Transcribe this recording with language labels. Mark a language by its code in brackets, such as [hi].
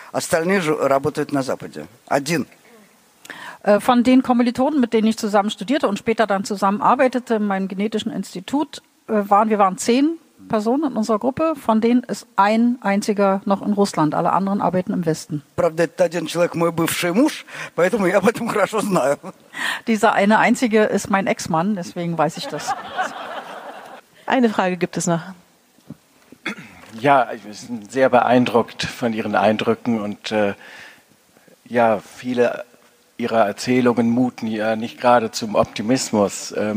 [ru] Остальные же работают на Западе. Один. [de] Von den Kommilitonen, mit denen ich zusammen studierte und später dann zusammen arbeitete in meinem genetischen Institut, waren 10 Personen in unserer Gruppe, von denen ist ein einziger noch in Russland. Alle anderen arbeiten im Westen. [ru] Правда, это один человек мой бывший муж, поэтому я об этом хорошо знаю. [de] Dieser eine einzige ist mein Ex-Mann, deswegen weiß ich das. Eine Frage gibt es noch. Ja, ich bin sehr beeindruckt von Ihren Eindrücken und ja, viele Ihre Erzählungen muten ja nicht gerade zum Optimismus.